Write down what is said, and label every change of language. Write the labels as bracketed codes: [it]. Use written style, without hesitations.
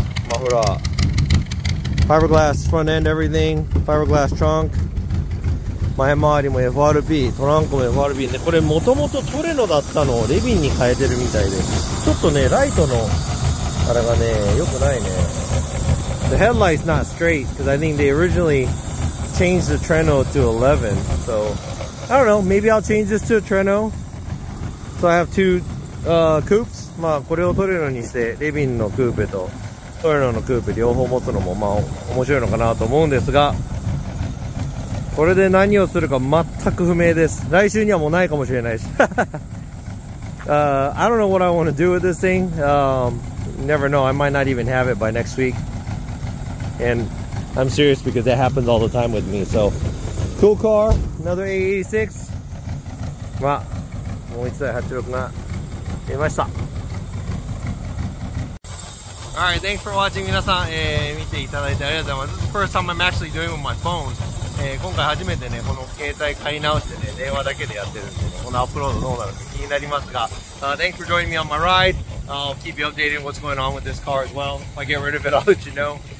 [ja] マフラー。ファイバーグラス、フロントエンド、everything。ファイバーグラス、トランク。前回りも FRP、トランクも FRP。で、これ、もともとトレノだったのをレヴィンに変えてるみたいで、ちょっとね、ライトの、あれがね、良くないね。 [en] The headlight's not straight, because I think they originally changed the Treno to 11. So, I don't know, maybe I'll change this to a Treno. So I have two, coupes. [ja] まあ、これをトレノにして、レヴィンのクーペとトレノのクーペ両方持つのも、まあ、面白いのかなと思うんですが、これで何をするか全く不明です。来週にはもうないかもしれないし。 [en] I don't know what I want to do with this thing. Never know, I might not even have it by next week. And I'm serious because that happens all the time with me. So, cool car, another A86. [ja] まあ、もう一台86が出ました。 [en] Alright, thanks for watching. [ja] 皆さん、見ていただいてありがとうございます。 [en] This is the first time I'm actually doing it with my phone. [ja] 今回初めてね、この携帯買い直してね、電話だけでやってるんで、ね、このアップロードどうなるか気になりますが、 [en] Thanks for joining me on my ride. I'll keep you updated on what's going on with this car as well. If I get rid of it, I'll let you know.